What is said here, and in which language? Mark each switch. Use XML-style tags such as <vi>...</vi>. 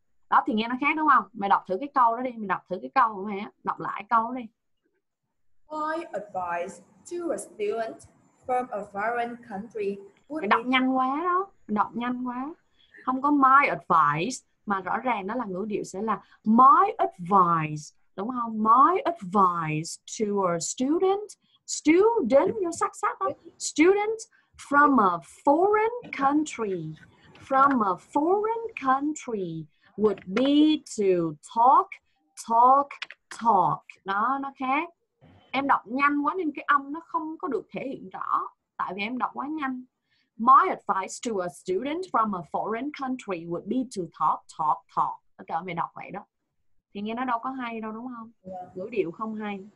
<vi>Đó thì nghe nó khác đúng không? Mày đọc thử cái câu đó đi, mày đọc thử cái câu mày đọc lại câu đi.</vi> <en>My advice to a student from a foreign country would</en> <vi>mày đọc nhanh quá đó, đọc nhanh quá. Không có</vi> <en>my advice</en> <vi>mà rõ ràng đó là ngữ điệu sẽ là my advice. Đúng không?</vi> <en>My advice to a student,</en> <vi>nhớ sắc sắc đó.</vi> <en>Student from a foreign country would be to talk.</en> <vi>Đó, nó khác. Em đọc nhanh quá nên cái âm nó không có được thể hiện rõ. Tại vì em đọc quá nhanh.</vi> <en>My advice to a student from a foreign country would be to talk.</en> <vi>Tất cả mày đọc vậy đó. Thì nghe nó đâu có hay đâu đúng không? Yeah. Ngữ điệu không hay.</vi>